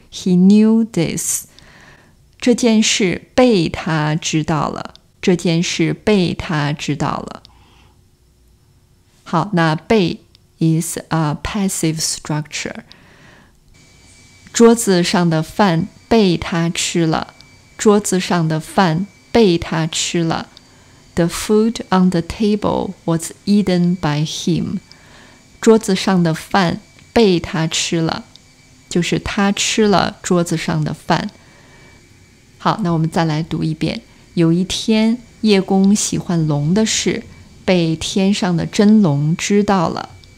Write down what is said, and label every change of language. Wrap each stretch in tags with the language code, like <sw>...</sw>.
<zh>He knew this. 这件事被他知道了，这件事被他知道了。好，那被 is a passive structure. 桌子上的饭被他吃了，桌子上的饭被他吃了。</zh> <en>The food on the table was eaten by him.</en> <zh>桌子上的饭被他吃了，就是他吃了桌子上的饭。好，那我们再来读一遍。有一天，叶公喜欢龙的事，被天上的真龙知道了。</zh>